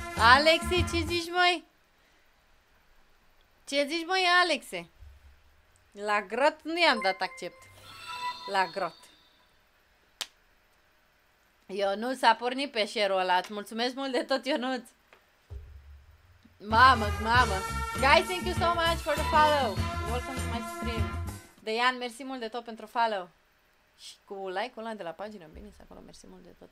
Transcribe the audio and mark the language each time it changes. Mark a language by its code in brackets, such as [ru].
[ro] Alexe, ce zici, măi? Ce zici, măi, Alexe? La grot nu i-am dat accept. La grot. Ionuț a pornit pe share-ul ăla. Îți mulțumesc mult de tot, Ionuț. Mamă, mamă. [en] Guys, thank you so much for the follow. Welcome to my stream. [ro] Deian, mersi mult de tot pentru follow. Și cu like-ul ăla de la pagină, bine, să acolo, mersi mult de tot.